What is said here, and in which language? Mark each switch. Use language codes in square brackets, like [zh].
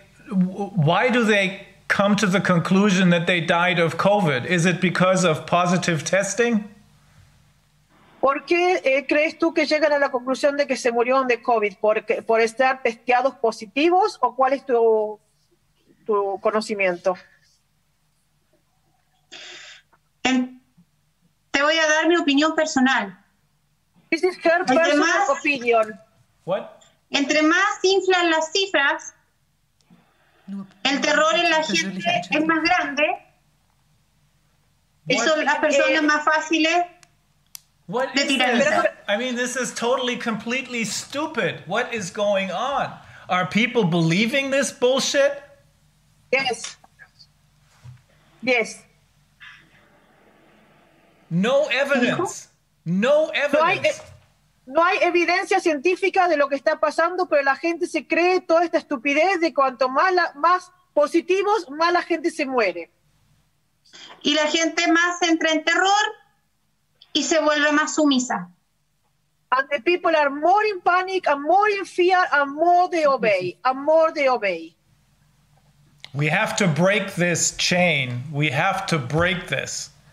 [en] Why do they come to the conclusion that they died of COVID? Is it because of positive testing? [es] ¿Por qué crees tú que llegan a la conclusión de que se murieron de COVID? ¿Por estar testeados positivos o cuál es tu conocimiento? Te voy a dar mi opinión personal. [en] This is her personal opinion. What? [es] Entre más inflan las cifras, el terror en la gente es más grande. Y son las personas más fáciles. [en] What is this? I mean, this is totally, completely stupid. What is going on? Are people believing this bullshit? Yes. Yes. No evidence. No evidence. [es] No hay evidencia científica de lo que está pasando, pero la gente se cree toda esta estupidez de cuanto más positivos, más la gente se muere. Y la gente más entra en terror. Y se vuelve más sumisa. [en] And the people are more in panic, and more in fear, and more they obey, and more they obey. We have to break this chain. We have to break this.